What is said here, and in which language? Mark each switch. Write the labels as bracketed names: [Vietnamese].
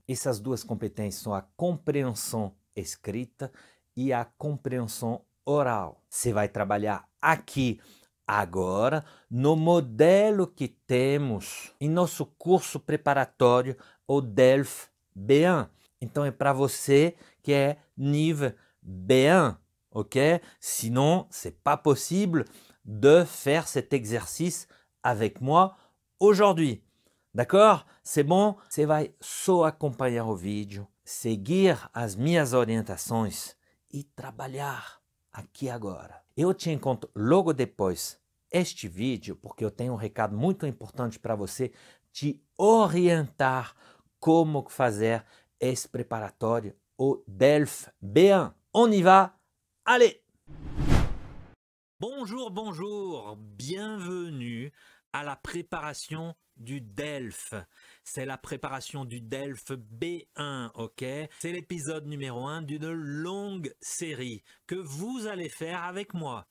[Portuguese] Essas duas competências são a compreensão escrita e a compreensão oral. Você vai trabalhar aqui, agora, no modelo que temos em nosso curso preparatório, o DELF B1. Então, é para você que é nível B1, ok? [French] Sinon, ce n'est pas possible de faire cet exercice avec moi aujourd'hui. D'accord? C'est bon? [Portuguese] Você vai só acompanhar o vídeo, seguir as minhas orientações e trabalhar aqui agora. Eu te encontro logo depois deste vídeo, porque eu tenho um recado muito importante para você te orientar como fazer [French] est préparatoire au DELF B1. On y va? Allez! Bonjour, bonjour! Bienvenue à la préparation du DELF. C'est la préparation du DELF B1, ok? C'est l'épisode numéro 1 d'une longue série que vous allez faire avec moi.